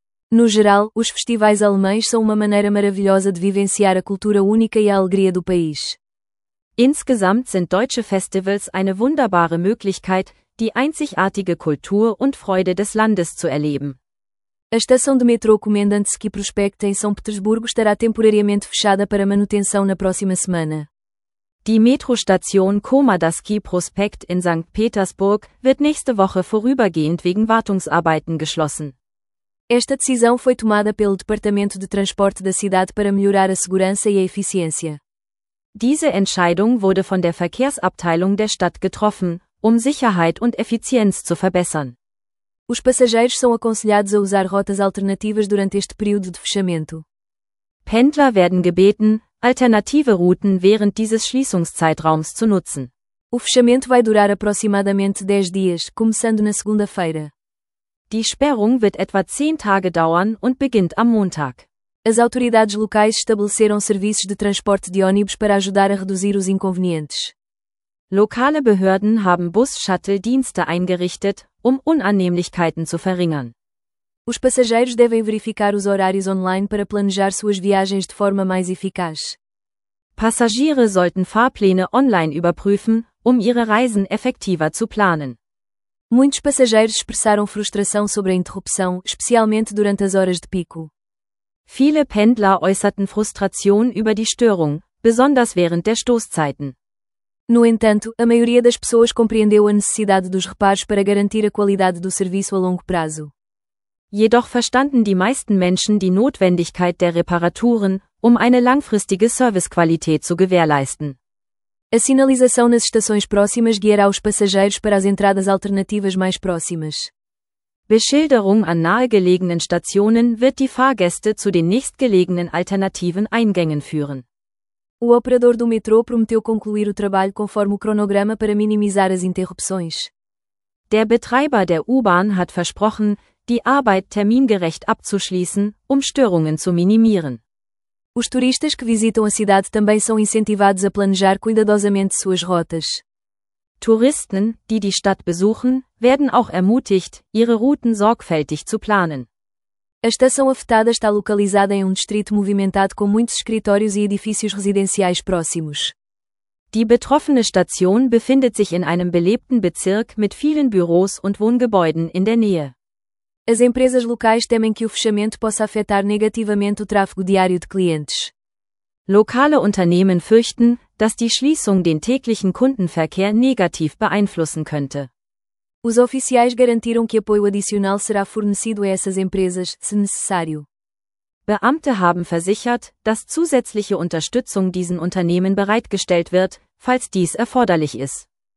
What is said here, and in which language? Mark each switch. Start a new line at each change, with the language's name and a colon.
Portuguese: No geral, os festivais alemães são uma maneira maravilhosa de vivenciar a cultura única e a alegria do país.
German: Insgesamt sind deutsche Festivals eine wunderbare Möglichkeit, die einzigartige Kultur und Freude des Landes zu erleben.
Portuguese: A estação de metrô Comendantski Prospekt em São Petersburgo estará temporariamente fechada para manutenção na próxima semana.
German: Die Metrostation Komandanski Prospekt in St. Petersburg wird nächste Woche vorübergehend wegen Wartungsarbeiten geschlossen.
Portuguese: Esta decisão foi tomada pelo Departamento de Transporte da cidade para melhorar a segurança e a eficiência.
German: Diese Entscheidung wurde von der Verkehrsabteilung der Stadt getroffen, Sicherheit und Effizienz zu verbessern.
Portuguese: Os passageiros são aconselhados a usar rotas alternativas durante este período de fechamento.
German: Pendler werden gebeten, alternative Routen während dieses Schließungszeitraums zu nutzen.
Portuguese: O fechamento vai durar aproximadamente 10 dias, começando na segunda-feira.
German: Die Sperrung wird etwa 10 Tage dauern und beginnt am Montag.
Portuguese: As autoridades locais estabeleceram serviços de transporte de ônibus para ajudar a reduzir os inconvenientes.
German: Lokale Behörden haben Bus-Shuttle-Dienste eingerichtet, Unannehmlichkeiten zu verringern.
Portuguese: Os passageiros devem verificar os horários online para planejar suas viagens de forma mais eficaz.
German: Passagiere sollten Fahrpläne online überprüfen, ihre Reisen effektiver zu planen.
Portuguese: Muitos passageiros expressaram frustração sobre a interrupção, especialmente durante as horas de pico.
German: Viele Pendler äußerten Frustration über die Störung, besonders während der Stoßzeiten.
Portuguese: No entanto, a maioria das pessoas compreendeu a necessidade dos reparos para garantir a qualidade do serviço a longo prazo.
German: Jedoch verstanden die meisten Menschen die Notwendigkeit der Reparaturen, eine langfristige Servicequalität zu gewährleisten.
Portuguese: A sinalização nas estações próximas guiará os passageiros para as entradas alternativas mais próximas.
German: Beschilderung an nahegelegenen Stationen wird die Fahrgäste zu den nächstgelegenen alternativen Eingängen führen.
Portuguese: O operador do metrô prometeu concluir o trabalho conforme o cronograma para minimizar as interrupções.
German: Der Betreiber der U-Bahn hat versprochen, die Arbeit termingerecht abzuschließen, Störungen zu minimieren.
Portuguese: Os turistas que visitam a cidade também são incentivados a planejar cuidadosamente suas rotas.
German: Touristen, die Stadt besuchen, werden auch ermutigt, ihre Routen sorgfältig zu planen.
Portuguese: A estação afetada está localizada em distrito movimentado com muitos escritórios e edifícios residenciais próximos.
German: Die betroffene Station befindet sich in einem belebten Bezirk mit vielen Büros und Wohngebäuden in der Nähe.
Portuguese: As empresas locais temem que o fechamento possa afetar negativamente o tráfego diário de clientes.
German: Lokale Unternehmen fürchten, dass die Schließung den täglichen Kundenverkehr negativ beeinflussen könnte.
Portuguese: Os oficiais garantiram que apoio adicional será fornecido a essas empresas, se necessário.
German: Beamte haben versichert, dass zusätzliche Unterstützung diesen Unternehmen bereitgestellt wird, falls dies erforderlich ist.